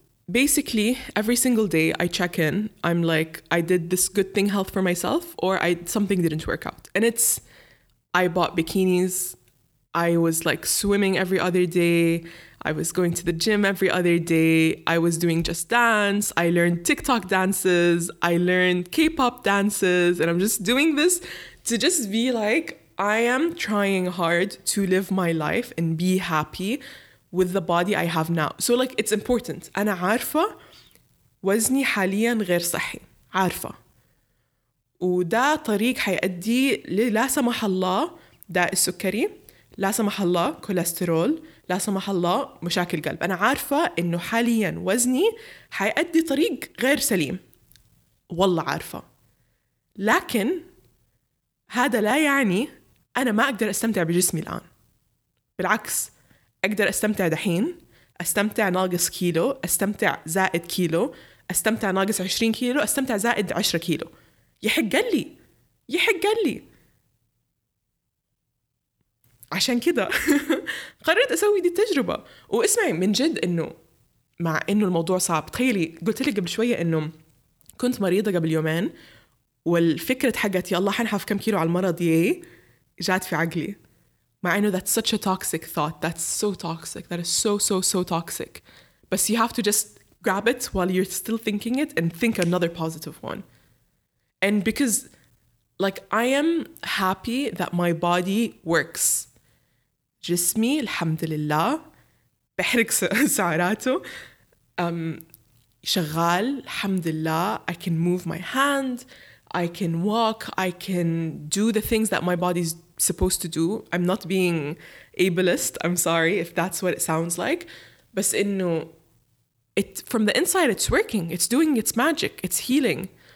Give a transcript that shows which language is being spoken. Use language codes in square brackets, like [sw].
[en] basically every single day I check in I'm like I did this good thing health for myself or I something didn't work out and it's I bought bikinis I was like swimming every other day I was going to the gym every other day. I was doing Just Dance. I learned TikTok dances. I learned K-pop dances. And I'm just doing this to just be like, I am trying hard to live my life and be happy with the body I have now. So like, it's important. [ar] أنا عارفة وزني حالياً غير صحي. عارفة. وده طريق حيأدي لا سمح الله داء السكري. لا سمح الله كوليسترول. لا سمح الله مشاكل قلب أنا عارفة إنه حالياً وزني حيأدي طريق غير سليم والله عارفة. لكن هذا لا يعني أنا ما أقدر أستمتع بجسمي الآن، بالعكس أقدر أستمتع دحين، أستمتع ناقص كيلو، أستمتع زائد كيلو، أستمتع ناقص 20 كيلو، أستمتع زائد 10 كيلو. يحق لي، يحق لي. عشان كده قررت أسوي دي التجربة. واسمعي من جد إنه مع إنه الموضوع صعب، تخيلي قلت لك قبل شوية إنه كنت مريضة قبل يومين، والفكرة حقت يا الله حنحف كم كيلو على المرض دي جات في عقلي، مع إنه [en] that's such a toxic thought, that's so toxic, [ar] that is so so so toxic. [en] But you have to just grab it while you're still thinking it and think another positive one. And because like I am happy that my body works. [ar] جسمي الحمد لله بحرق سعراته، شغال الحمد لله. [en] I can move my hand, I can walk, I can do the things that my body's supposed to do. I'm not being ableist, I'm sorry if that's what it sounds like. [ar] بس إنه [en] it from the inside it's working, it's doing its magic, it's healing.